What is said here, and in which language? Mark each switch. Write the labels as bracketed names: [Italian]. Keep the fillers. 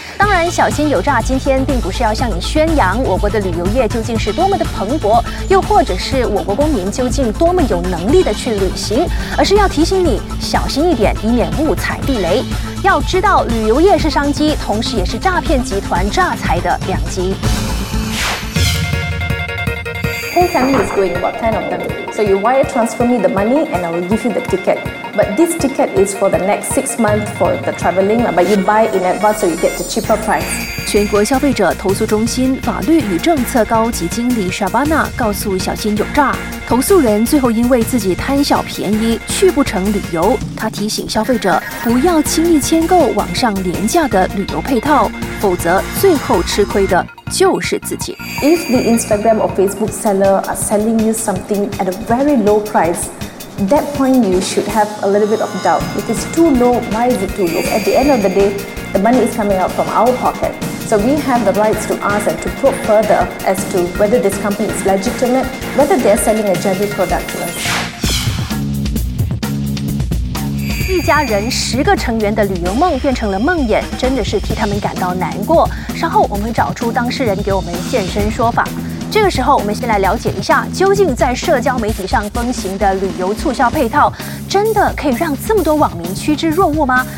[Chinese] 当然，小心有诈。今天并不是要向你宣扬我国的旅游业究竟是多么的蓬勃，又或者是我国公民究竟多么有能力的去旅行，而是要提醒你小心一点，以免误踩地雷。要知道，旅游业是商机，同时也是诈骗集团诈财的良机。 [English] Whole family is going about ten kind of them, so you wire transfer me the money and I will give you the ticket. But this ticket is for the next six months for the traveling, but you buy in advance so you get the cheaper price. [Chinese] 全国消费者投诉中心法律与政策高级经理沙巴纳告诉小心有诈，投诉人最后因为自己贪小便宜去不成旅游。他提醒消费者不要轻易签购网上廉价的旅游配套，否则最后吃亏的。就是自己。 [English] If the Instagram or Facebook seller are selling you something at a very low price, that point you should have a little bit of doubt. If it's too low, why is it too low? At the end of the day, the money is coming out from our pocket. So we have the rights to ask and to probe further as to whether this company is legitimate, whether they're selling a genuine product to us. [Chinese] 一家人十个成员的旅游梦变成了梦魇，真的是替他们感到难过。稍后我们找出当事人给我们现身说法。这个时候，我们先来了解一下，究竟在社交媒体上风行的旅游促销配套，真的可以让这么多网民趋之若鹜吗？